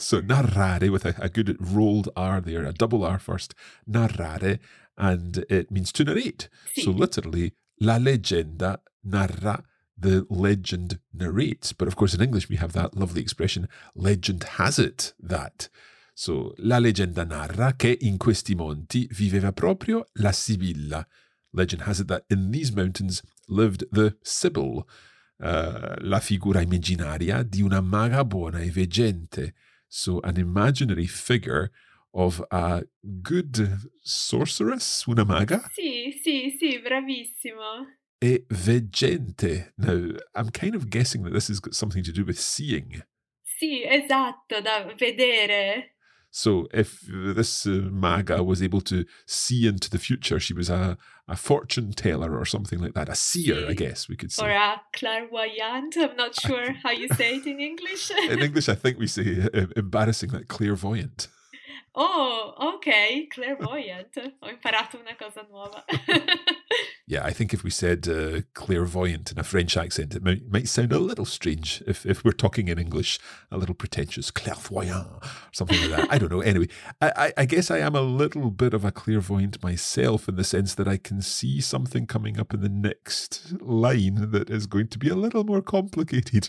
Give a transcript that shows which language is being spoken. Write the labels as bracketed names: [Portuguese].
[English] So narrare, with a good rolled R there, a double R first, narrare, and it means to narrate. [Italian] Sì. [English] So literally, [Italian] la leggenda narra. [English] The legend narrates. But of course, in English, we have that lovely expression, legend has it that. [Italian] So, la leggenda narra che in questi monti viveva proprio la Sibilla. [English] Legend has it that in these mountains lived the Sibyl, [Italian] la figura immaginaria di una maga buona e veggente. [English] So, an imaginary figure of a good sorceress, una maga? [Italian] Sì, sì, sì, bravissimo. E veggente. [English] Now, I'm kind of guessing that this has got something to do with seeing. [Italian] Sì, esatto, da vedere. [English] So, if this maga was able to see into the future, she was a fortune teller or something like that, a seer, sì. I guess we could say. Or a clairvoyant, I'm not sure how you say it in English. In English, I think we say embarrassing, like clairvoyant. Oh, okay, [Italian] clairvoyant. Ho imparato una cosa nuova. [English] Yeah, I think if we said clairvoyant in a French accent, it might sound a little strange if we're talking in English, a little pretentious, clairvoyant, or something like that. I don't know. Anyway, I guess I am a little bit of a clairvoyant myself in the sense that I can see something coming up in the next line that is going to be a little more complicated.